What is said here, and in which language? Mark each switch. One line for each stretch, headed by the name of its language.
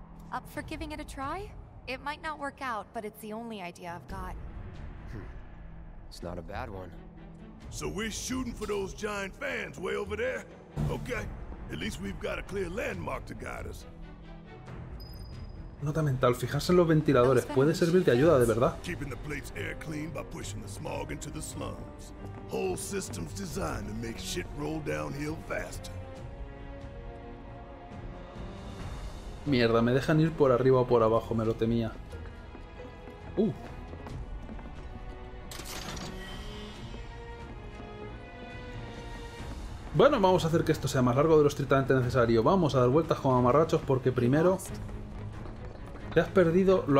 English: Up for giving it a try? It might not work out, but it's the only idea I've got. It's not a bad one. So we're shooting for those giant fans way over there? Okay, at least we've got a clear landmark to guide us.
Spanish: Nota mental, fijarse en los ventiladores. Puede servir de ayuda, de verdad.
English: Keeping the plates air clean by pushing the smog into the slums. Whole system's designed to make shit roll downhill faster.
Spanish: Mierda, me dejan ir por arriba o por abajo, me lo temía. Bueno, vamos a hacer que esto sea más largo de lo estrictamente necesario. Vamos a dar vueltas como mamarrachos porque primero... ¿te has perdido?